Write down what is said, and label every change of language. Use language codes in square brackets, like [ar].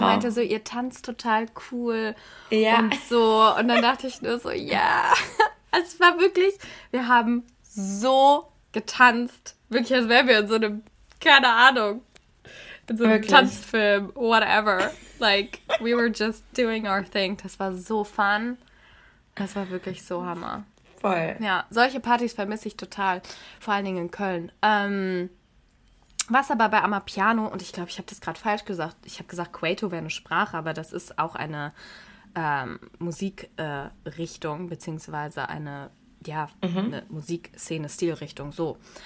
[de] meinte so, ihr tanzt total cool und so. Und dann dachte ich nur so, ja, es war wirklich, wir haben so getanzt. Wirklich, als wären wir in so einem, keine Ahnung, in so einem Tanzfilm, whatever. [en] Like, we were just doing our thing. [de] Das war so fun. Das war wirklich so Hammer. Voll. Ja, solche Partys vermisse ich total, vor allen Dingen in Köln. Was aber bei Amapiano, und ich glaube, ich habe das gerade falsch gesagt, ich habe gesagt, Kwaito wäre eine Sprache, aber das ist auch eine Musikrichtung, beziehungsweise eine, ja, eine Musikszene-Stilrichtung, so.